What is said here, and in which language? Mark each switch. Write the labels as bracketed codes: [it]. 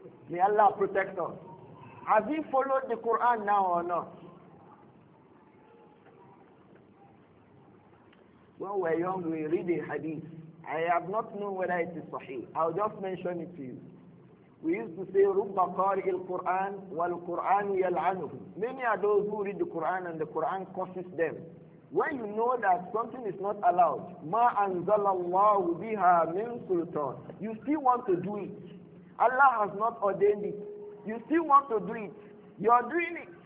[en] May Allah protect us. Has he followed the Quran now or not? When we were young, we read a hadith. I have not known whether it is sahih. I'll just mention it to you. We used to say, [ar] رُبَّ قَارِئِ الْقُرْآنِ وَالْقُرْآنُ يَلْعَنُهُ. [en] Many are those who read the Quran and the Quran curses them. When you know that something is not allowed, [ar] مَا أَنْزَلَ اللَّهُ بِهَا مِنْ سُلْطَانٍ, [en] you still want to do it. Allah has not ordained it. You still want to do it. You are doing it.